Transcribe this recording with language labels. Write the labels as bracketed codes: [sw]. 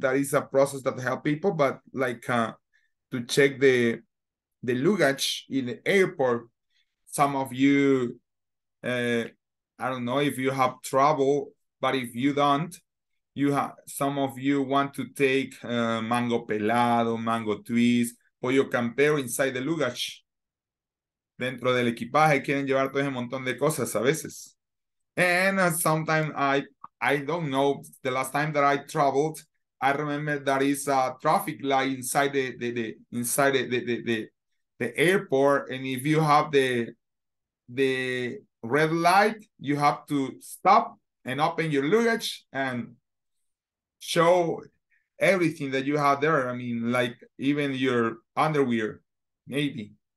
[en] That is a process that help people, but like to check the luggage in the airport. Some of you. I don't know if you have trouble, but if you don't, you have some of you want to take mango pelado, mango twist, pollo campero inside the luggage. [es] Dentro del equipaje quieren llevar todo ese montón de cosas a veces. [en] And sometimes I don't know, the last time that I traveled, I remember there is a traffic light inside the airport, and if you have the red light, you have to stop and open your luggage and show everything that you have there. I mean, like even your underwear, maybe.